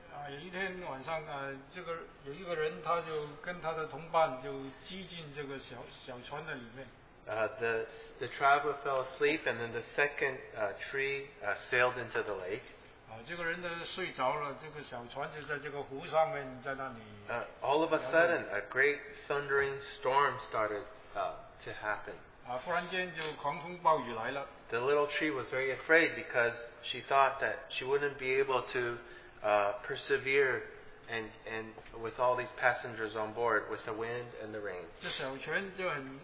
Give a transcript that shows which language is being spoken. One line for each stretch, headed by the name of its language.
Chinese: 有一天晚上，这个有一个人，他就跟他的同伴就挤进这个小船的里面。
English: The traveler fell asleep, and then the second tree sailed into the lake.
Chinese: 这个人呢睡着了，这个小船就在这个湖上面，在那里。
English: All of a sudden, a great thundering storm started to happen.
Chinese: 忽然间就狂风暴雨来了。
English: The little tree was very afraid because she thought that she wouldn't be able to persevere and with all these passengers on board with the wind and the rain.